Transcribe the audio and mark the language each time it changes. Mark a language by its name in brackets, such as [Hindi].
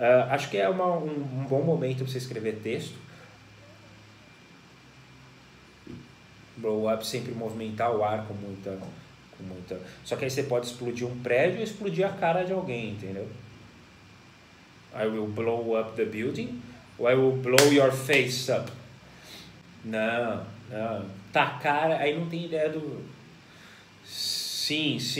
[Portuguese] Acho que é um bom momento pra você escrever texto. Blow up, sempre movimentar o ar com muita... Muito. Só que aí você pode explodir um prédio ou explodir a cara de alguém, entendeu? [English] I will blow up the building or I will blow your face up. [Portuguese] Não. Tá cara, aí não tem ideia do... Sim.